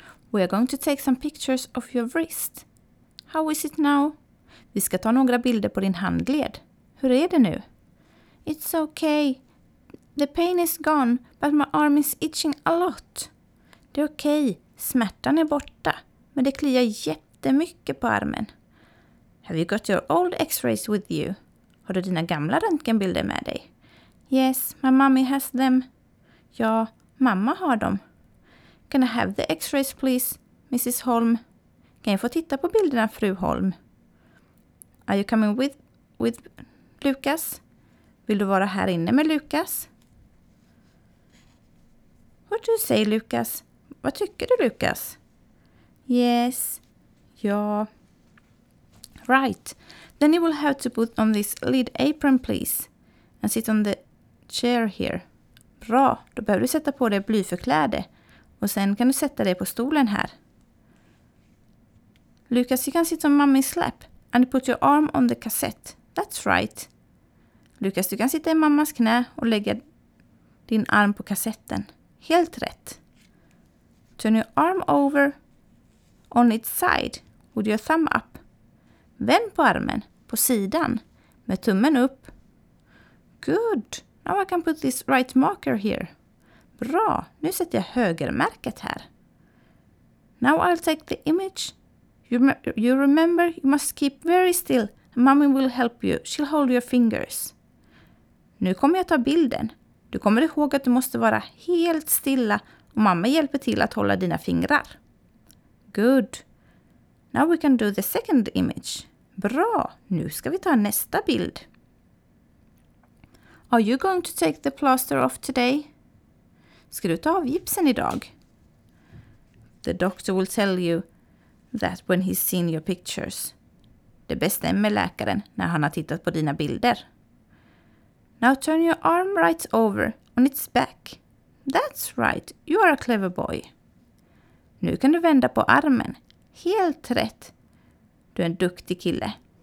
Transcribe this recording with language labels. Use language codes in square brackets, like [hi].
[en] We are going to take some pictures of your wrist. How is it now? [sv] Vi ska ta några bilder på din handled. Hur är det nu? [en] It's okay. The pain is gone, but my arm is itching a lot. [sv] Det är okej. Smärtan är borta, men det kliar jättemycket på armen. [en] Have you got your old x-rays with you? [sv] Har du dina gamla röntgenbilder med dig? [en] Yes, my mommy has them. [sv] Ja, mamma har dem. [en] Can I have the x-rays please, Mrs. Holm? [sv] Kan jag få titta på bilderna, fru Holm? [en] Are you coming with Lucas? [sv] Vill du vara här inne med Lucas? [en] What do you say, Lucas? [sv] Vad tycker du, Lucas? [en] Yes. Ja. Right. Then you will have to put on this lid apron, please. And sit on the chair here. Bra. [sv] Då behöver du sätta på dig blyförkläde. Och sen kan du sätta dig på stolen här. [en] Lucas, you can sit on mommy's lap. And put your arm on the cassette. That's right. [sv] Lucas, du kan sitta i mammas knä och lägga din arm på kassetten. Helt rätt. [en] Turn your arm over on its side with your thumb up. [sv] Vänd på armen på sidan med tummen upp. [en] Good. Now I can put this right marker here. [sv] Bra. Nu sätter jag högermärket här. [en] Now I'll take the image. You remember you must keep very still. Mommy will help you. She'll hold your fingers. [sv] Nu kommer jag ta bilden. Du kommer ihåg att du måste vara helt stilla och mamma hjälper till att hålla dina fingrar. Good. [en] Now we can do the second image. [sv] Bra, nu ska vi ta nästa bild. [en] Are you going to take the plaster off today? [sv] Ska du ta av gipsen idag? [en] The doctor will tell you that when he's seen your pictures. [sv] Det bestämmer läkaren när han har tittat på dina bilder. [en] Now turn your arm right over on its back. That's right, you are a clever boy. [sv] Nu kan du vända på armen. Helt rätt. Du är en duktig kille.